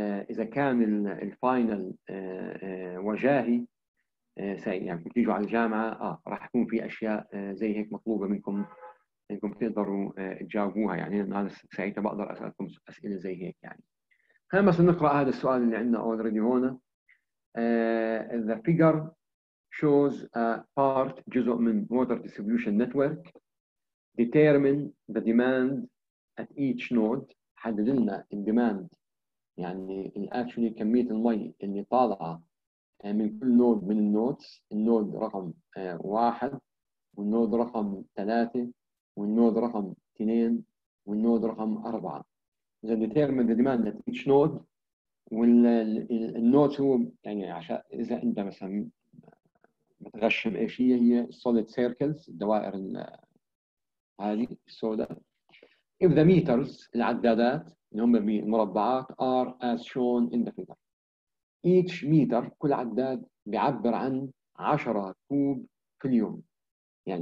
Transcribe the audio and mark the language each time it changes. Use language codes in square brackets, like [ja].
[ar] اذا كان الفاينل وجاهي يعني تيجوا على الجامعة راح يكون في أشياء زي هيك مطلوبة منكم إنكم تقدروا تجاوبوها يعني. أنا ساعتها بقدر أسألكم أسئلة زي هيك يعني. خلينا بس نقرأ هذا السؤال اللي عندنا already هنا. [en] The figure shows a part [ar] جزء من [en] water distribution network. Determine the demand at each node. [ar] حدد لنا الديماند يعني الأكشن كمية المي اللي طالعة من كل نود من النودز، النود رقم 1 والنود رقم 3 والنود رقم 2 والنود رقم 4. إذا [en] determine the demand at each node [ar] والنودز هو يعني عشان إذا أنت مثلا متغشم إيش هي [en] solid circles [ar] الدوائر هذه السوداء. [en] If the meters [ar] العدادات اللي هم بالمربعات [en] are as shown in the figure. Each meter [ar] كل عداد بيعبر عن 10 كوب في اليوم يعني.